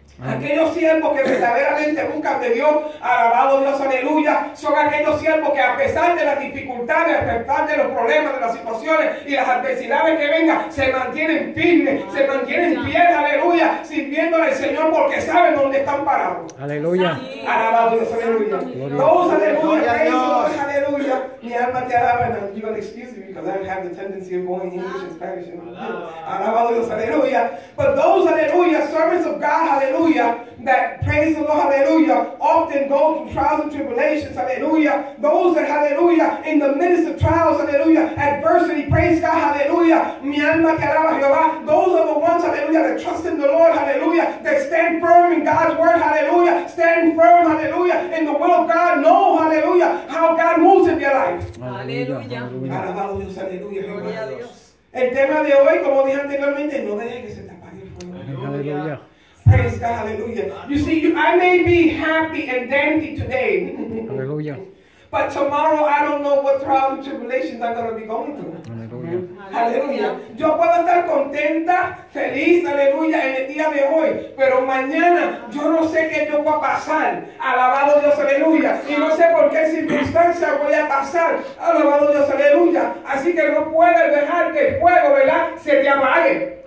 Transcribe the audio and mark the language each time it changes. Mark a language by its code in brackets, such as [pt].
[es] Aquellos siervos que verdaderamente buscan de Dios, alabado Dios, aleluya, son aquellos siervos que a pesar de las dificultades, a pesar de los problemas, de las situaciones y las adversidades que vengan, se mantienen firmes, se mantienen fieles, aleluya, sirviéndole al Señor porque saben dónde están parados. Aleluya. Alabado Dios, aleluya. Todos, aleluya, Dios, aleluya. Mi alma te alaba, [en] and you're gonna excuse me because I don't have the tendency of going English and Spanish. [es] Alabado Dios, [en] aleluya. But those, aleluya, servants of God, aleluya, that praise the Lord, aleluya, often go through trials and tribulations, aleluya. Those that, aleluya, in the midst of trials, aleluya, adversity, praise God, aleluya. [es] Mi alma te alaba, Jehová. [en] Those are the ones, aleluya, that trust in the Lord, aleluya, that stand firm in God's word, aleluya, stand firm, aleluya, in the will of God, know, aleluya, how God moves in their life. [es] Aleluya. Alabado Dios, aleluya. Gloria a Dios. El tema de hoy, como dije anteriormente, no deje que se te apague el fuego. Aleluya. [en] Praise God, hallelujah. You see, I may be happy and dandy today. Hallelujah. But tomorrow I don't know what trials and tribulations I'm going to be going through. Hallelujah. Hallelujah. [es] Yo puedo estar contenta, feliz, aleluya, en el día de hoy, pero mañana yo no sé qué yo voy a pasar. Alabado Dios, aleluya. Y no sé por qué circunstancia voy a pasar. Alabado Dios, aleluya. Así que no puedes dejar que el fuego, ¿verdad?, se te apague.